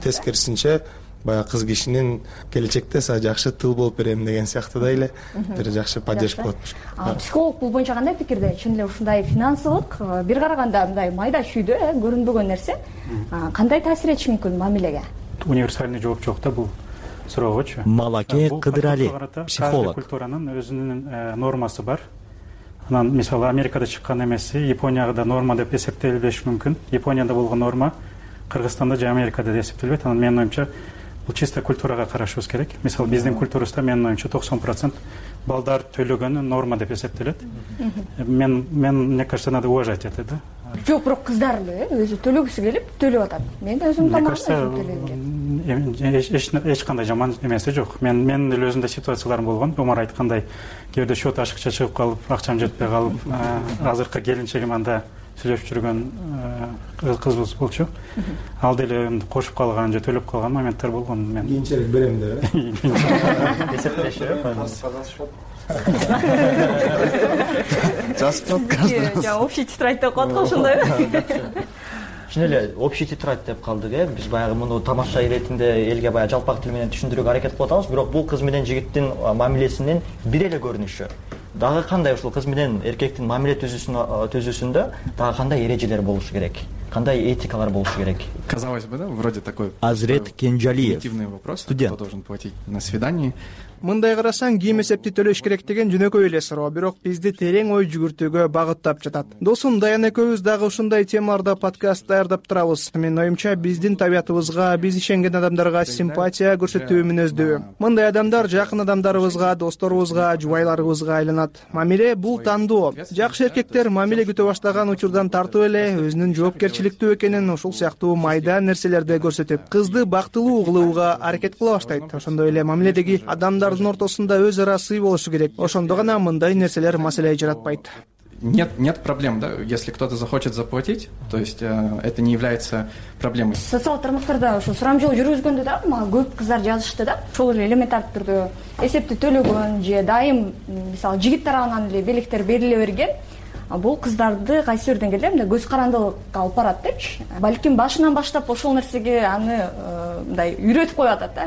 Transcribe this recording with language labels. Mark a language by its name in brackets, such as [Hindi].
[Kyrgyz] Тескерисинче баягы кыз кишинин келечекте сага жакшы тыл болуп берем деген сыяктуу дай эле бир жакшы поддержка болот. Психолог бул боюнча кандай пикирде? Чын эле ушундай финансылык бир караганда мындай майда чүйдө көрүнбөгөн нерсе кандай таасир этиши мүмкүн мамилеге? Универсальный жооп жок да бул суроогочу. Малаке Кыдырали, психолог. Бул культуранын өзүнүн нормасы бар. Анан мисалы Америкада чыккан эмеси, Японияга да норма деп эсептелбеши мүмкүн. Японияда болгон норма Кыргызстанда же Америкада да эсептелбейт. Анан менин оюмча бул чисто культурага карашыбыз керек. Мисалы биздин культурабызда менин оюмча 90% балдар төлөгөнү норма деп эсептелет. [Russian] Мен мне кажется, надо уважать это, да? [Kyrgyz] Жок, бирок кыздар эле өзү төлөгүсү келип төлөп атат. Мен өзүм тамагымды төлөйм деп. Эч кандай жаман эмеси жок. Менин эле өзүмдө ситуацияларым болгон. Омар айткандай, кээ бирде счет ашыкча чыгып калып, акчам жетпей калып, азыркы келинчегим анда сүйлөшүп жүргөн кызыбыз болчу. Ал деле кошуп калган же төлөп калган моменттер болгон. Мен кийинчерээк берем деп эсептешип коебуз. Жазып жатып калды. Общий тетрадь деп коет го, ошондойбу? Чын эле общий тетрадь деп калдык, э. Биз баягы муну тамаша иретинде элге баягы жалпак тил менен түшүндүрүүгө аракет кылып атабыз, бирок бул кыз менен жигиттин мамилесинин бир эле көрүнүшү. дагы кандай ушул кыз менен эркектин мамиле түзүүсүндө дагы кандай эрежелер болушу керек, кандай этикалар болушу керек? [Russian] Казалось бы, да, вроде такой. Азрет Кенжалиев. Негативный вопрос. Студент. Кто должен платить на свидании? [Kyrgyz] Мындай карасаң кийим эсепти төлөш керек деген жөнөкөй эле суроо, бирок бизди терең ой жүгүртүүгө багыттап жатат. Досум, Даян экөөбүз дагы ушундай темаларда подкаст даярдап турабыз. Менин оюмча, биздин табиятыбызга, биз ишенген адамдарга симпатия көрсөтүү мүнөздүү. Мындай адамдар жакын адамдарыбызга, досторубузга, жубайларыбызга айланат. Мамиле бул тандоо. Жакшы эркектер мамиле күтө баштаган учурдан тартып эле өзүнүн жоопкерчиликтүү экенин ушул сыяктуу майда нерселерде көрсөтүп, кызды бактылуу кылууга аракет кыла баштайт. Ошондой эле мамиледеги адам дардын ортосунда өз ара сый болушу керек. Ошондо гана мындай нерселер маселе жаратпайт. [Russian] Нет проблем, да, если кто-то захочет заплатить, то есть это не является проблемой. [Kyrgyz] Социал тармактарда ошо сурамжоо жүргүзгөндө да, мага көп кыздар жазышты да. Ошол эле элементардык түрдө эсепти төлөгөн же дайым мисалы жигит тарабынан эле белектер бериле берген. Бул кыздарды кайсы бир деңгээлде мындай көз карандылыкка алып барат депчи. Балким башынан баштап ошол нерсеге аны мындай үйрөтүп коюп атат да.